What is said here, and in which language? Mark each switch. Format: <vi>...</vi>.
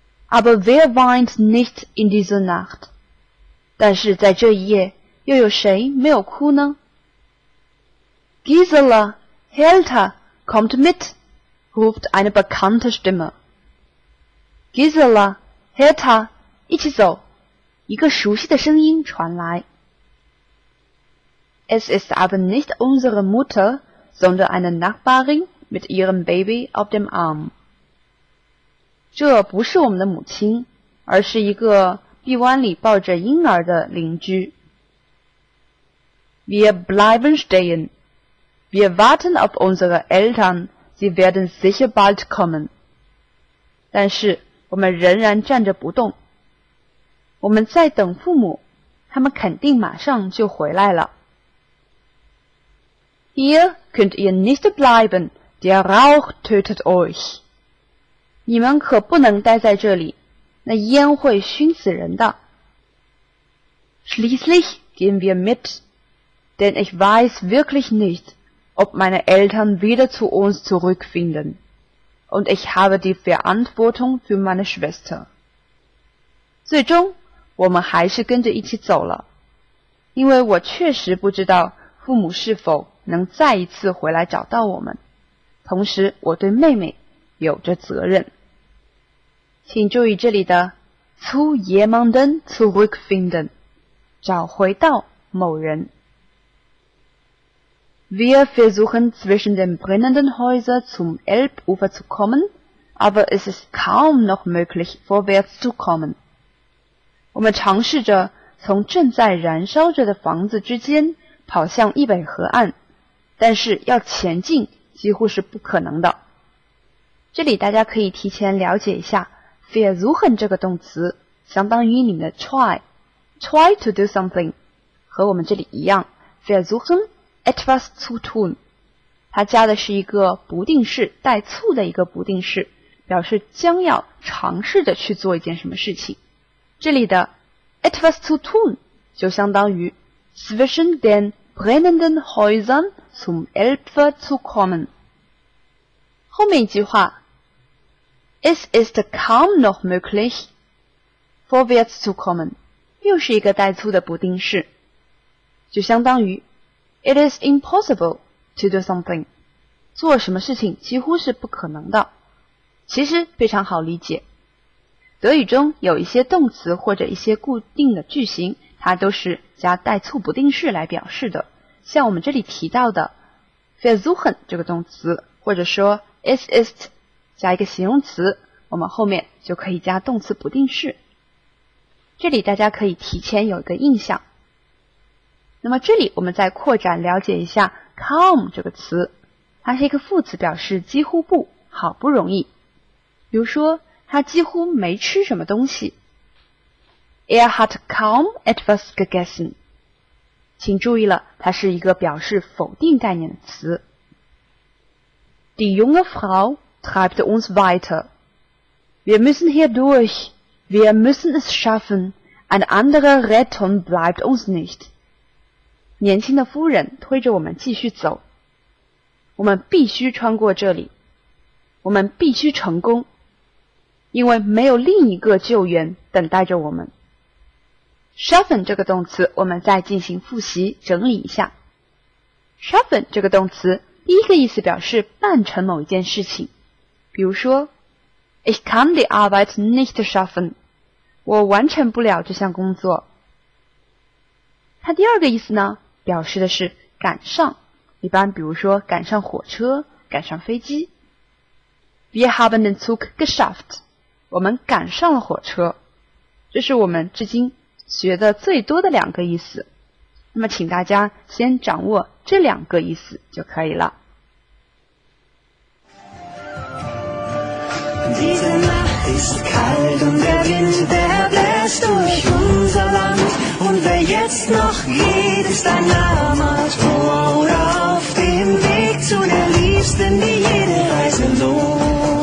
<de>Aber wer weint nicht in dieser Nacht？</de> <zh>但是在这一夜又有谁没有哭呢？</zh> <de>Gisela, Helta, kommt mit, ruft eine bekannte Stimme.</de> <zh>Gisela, Helta, 一起走，一个熟悉的声音传来。</zh> <de>Es ist aber nicht unsere Mutter, sondern eine Nachbarin mit ihrem Baby auf dem Arm.</de> <zh>这不是我们的母亲，而是一个臂弯里抱着婴儿的邻居。</zh> <de>Wir bleiben stehen. Wir warten auf unsere Eltern. Sie werden sicher bald kommen.</de> <zh>但是我们仍然站着不动，我们在等父母，他们肯定马上就回来了。</zh> <de>Hier könnt ihr nicht bleiben. Der Rauch tötet euch.</de> <zh>你们可不能待在这里，那烟会熏死人的。</zh> <de>Schließlich gehen wir mit, denn ich weiß wirklich nicht, ob meine Eltern wieder zu uns zurückfinden. Und ich habe die Verantwortung für meine Schwester.</de> <zh>最终，我们还是跟着一起走了，因为我确实不知道父母是否能再一次回来找到我们，同时我对妹妹有着责任。请注意这里的</zh> <de>zu jemanden zurückfinden，</de> <zh>找回到某人。</zh> <de>Wir versuchen zwischen den brennenden Häusern zum Elbufer zu kommen, aber es ist kaum noch möglich, vorwärts zu kommen.</de> <zh>我们尝试着从正在燃烧着的房子之间跑向易北河岸，但是要前进几乎是不可能的。这里大家可以提前了解一下 versuchen 这个动词相当于你们的</zh> <en>try to do something，</en> <zh>和我们这里一样</zh> <de>versuchen etwas zu tun，</de> <zh>它加的是一个不定式带醋的一个不定式，表示将要尝试着去做一件什么事情。这里的</zh> <de>etwas zu tun</de> <zh>就相当于</zh> <de>zwischen den brennenden Häusern zum Elbe zu kommen。</de> <zh>后面一句话</zh> <de>，Es ist kaum noch möglich vorwärts zu kommen，</de> <zh>又是一个带醋的不定式，就相当于</zh> <en>It is impossible to do something，</en> <zh>做什么事情几乎是不可能的。其实非常好理解，德语中有一些动词或者一些固定的句型，它都是加带醋不定式来表示的。像我们这里提到的 versuchen 这个动词，或者说</zh> <de>Es ist</de> <zh>加一个形容词，我们后面就可以加动词不定式。这里大家可以提前有一个印象。那么这里我们再扩展了解一下 kaum 这个词，它是一个副词，表示几乎不好不容易。比如说他几乎没吃什么东西。</zh> <de>Er hat kaum etwas gegessen。</de> <zh>请注意了，它是一个表示否定概念的词。</zh> <de>Die junge Frau treibt uns weiter. Wir müssen hier durch. Wir müssen es schaffen. Eine andere Rettung bleibt uns nicht.</de> <zh>年轻的夫人推着我们继续走。我们必须穿过这里。我们必须成功。因为没有另一个救援等待着我们。 Schaffen 这个动词我们再进行复习整理一下。 Schaffen 这个动词第一个意思表示办成某一件事情，比如说</zh> <de>Ich kann die Arbeit nicht schaffen，</de> <zh>我完成不了这项工作。它第二个意思呢，表示的是赶上，一般比如说赶上火车，赶上飞机。</zh> <de>Wir haben den Zug geschafft，</de> <zh>我们赶上了火车。这是我们至今学的最多的两个意思，那么请大家先掌握这两个意思就可以了。</zh> <de>Diese Nacht ist kalt und der Wind, der bläst durch unser Land. Und wer jetzt noch geht, ist ein armer Tor oder auf dem Weg zu der Liebsten, die jede Reise lohnt.</de>